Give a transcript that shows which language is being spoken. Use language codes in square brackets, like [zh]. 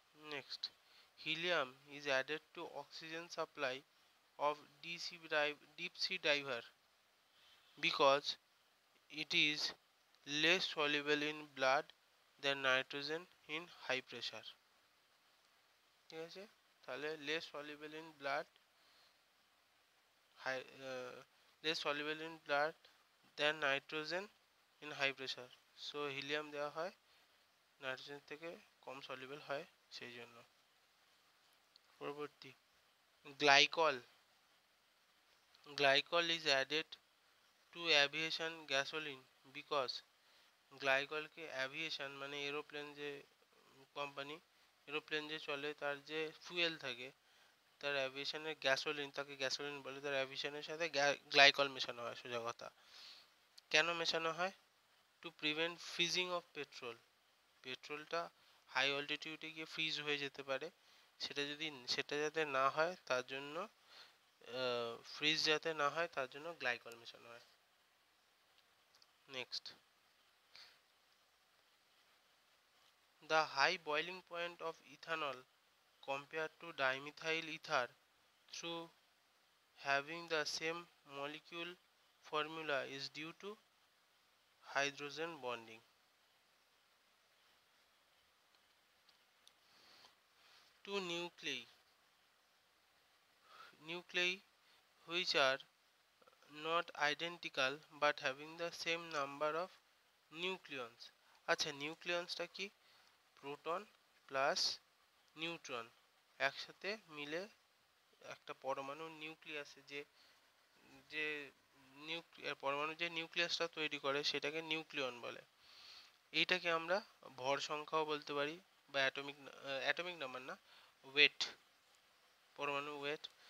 [en] Next, helium is added to oxygen supply of deep sea diver because it is less soluble in blood than nitrogen in high pressure. [bn] ঠিক আছে, তাহলে [en] less soluble in blood, less soluble in blood than nitrogen in high pressure. [bn] So helium দেওয়া হয়, nitrogen থেকে কম soluble হয় সেই জন্য। পরবর্তী, glycol. [en] Glycol is added to aviation gasoline because [bn] glycol K aviation মানে aeroplane যে company এরোপ্লেন যে চলে তার যে ফুয়েল থাকে তার অ্যাভিয়েশনের গ্যাসোলিন তাকে গ্যাসোলিন বলে, তার অ্যাভিয়েশনের সাথে গ্লাইকল মেশানো হয়। সোজা কথা, কেন মেশানো হয়? [en] To prevent freezing of petrol. [bn] পেট্রোলটা high অল্টিটিউডে গিয়ে ফ্রিজ হয়ে যেতে পারে, সেটা যদি সেটা যাতে না হয় তার জন্য, ফ্রিজ যাতে না হয় তার জন্য গ্লাইকল মেশানো হয়। [en] Next, the high boiling point of ethanol compared to dimethyl ether through having the same molecule formula is due to hydrogen bonding. Two nuclei which are not identical but having the same number of nucleons. [bn] আচ্ছা, nucleons টা কি? Proton plus neutron একসাথে মিলে একটা পরমাণু nucleus, যে যে পরমাণু যে নিউক্লিয়াসটা তৈরি করে সেটাকে নিউক্লিয়ন বলে। এইটাকে আমরা ভর সংখ্যাও বলতে পারি বা অ্যাটমিক অ্যাটমিক নাম্বার না, ওয়েট, পরমাণু ওয়েট।